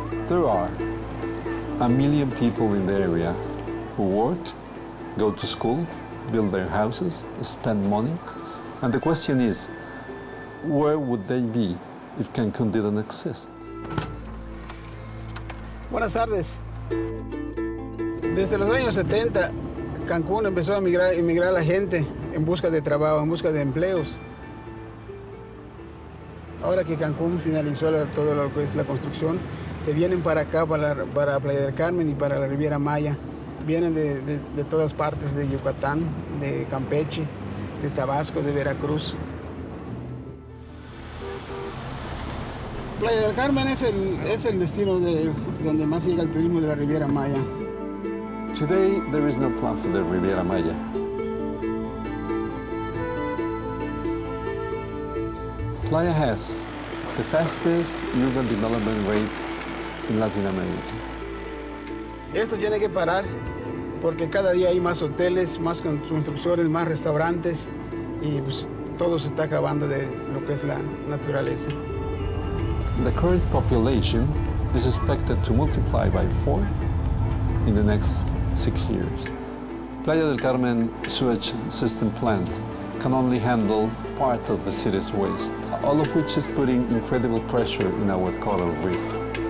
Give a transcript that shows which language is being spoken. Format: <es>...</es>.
<en>There are 1 million people in the area who work, go to school, build their houses, spend money. And the question is, where would they be if Cancun didn't exist?</en> <es>Buenas tardes. Desde los años 70, Cancún empezó a emigrar a la gente en busca de trabajo, en busca de empleos. Ahora que Cancún finalizó todo lo que es la construcción, se vienen para acá, para Playa del Carmen y para la Riviera Maya. Vienen de todas partes, de Yucatán, de Campeche, de Tabasco, de Veracruz. Playa del Carmen es el destino de donde más llega el turismo de la Riviera Maya.</es> <en>Today, there is no plan for the Riviera Maya. Playa has the fastest urban development rate in Latin America.</en> <es>Esto tiene que parar porque cada día hay más hoteles, más construcciones, más restaurantes y pues, todo se está acabando de lo que es la naturaleza.</es> <en>The current population is expected to multiply by 4 in the next 6 years. Playa del Carmen sewage system plant can only handle part of the city's waste, all of which is putting incredible pressure in our coral reef.</en>